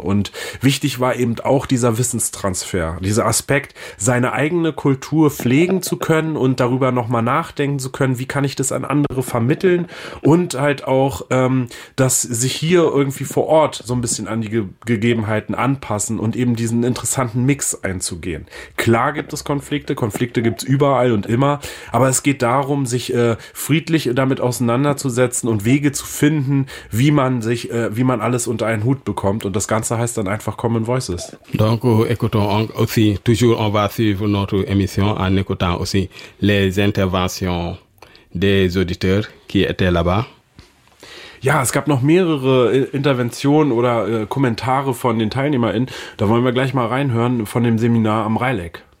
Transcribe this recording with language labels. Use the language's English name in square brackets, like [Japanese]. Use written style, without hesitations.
[German] Und wichtig war eben auch dieser Wissenstransfer, dieser Aspekt, seine eigene Kultur pflegen zu können und darüber nochmal nachdenken zu können, wie kann ich das an andere vermitteln und halt auch, dass sich hier irgendwie vor Ort so ein bisschen an die Gegebenheiten anpassen und eben diesen interessanten Mix einzugehen. Klar gibt es Konflikte gibt es überall und immer, aber es geht darum, sich friedlich damit auseinanderzusetzen und Wege zu finden, wie man sich, wie man alles unter einen Hut bekommt und das Ganze heißt dann einfach Common Voices. [French] Danke, écoutons toujours on va suivre notre émission en écoutant aussi les interventions des auditeurs qui étaient là-bas. [German] Ja, es gab noch mehrere Interventionen oder Kommentare von den TeilnehmerInnen. Da wollen wir gleich mal reinhören von dem Seminar am Rheileck.